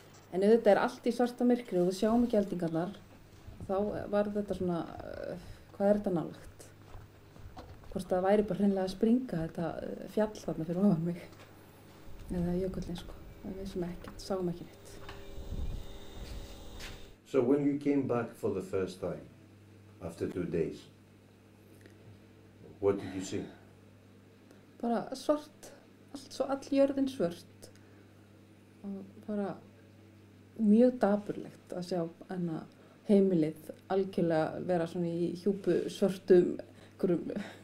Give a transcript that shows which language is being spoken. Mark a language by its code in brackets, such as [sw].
[is] En ef þetta allt í svarta myrkri og við sjáum ekki eldingarnar, þá var þetta svona, hvað þetta nálægt? Hvort það væri bara hreinlega að springa þetta fjall þarna fyrir ofan mig. Eða jökullinn sko, það við sem ekki, sáum ekki neitt. [en] So when you came back for the first time, after 2 days, what did you see? [is] Bara svart, allt svo all jörðin svört. Og bara mjög dapurlegt að sjá hennar heimilið algjörlega vera svona í hjúpu svörtum einhverjum.